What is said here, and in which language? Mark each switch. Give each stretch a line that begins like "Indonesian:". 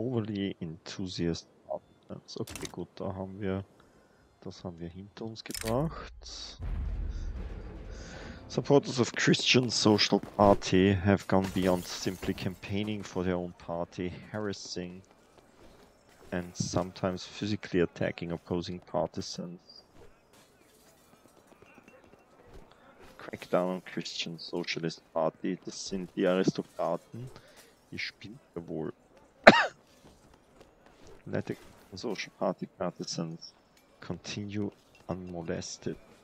German: Overly Enthusiast. Okay, gut, da haben wir. Das haben wir hinter uns gebracht.
English: Supporters of Christian Social Party have gone beyond simply campaigning for their own party, harassing and sometimes physically attacking opposing partisans. Crackdown on Christian Socialist Party,
German: das sind die Aristokraten. Ihr spinnt ja wohl.
English: Let the Social Party partisans continue unmolested.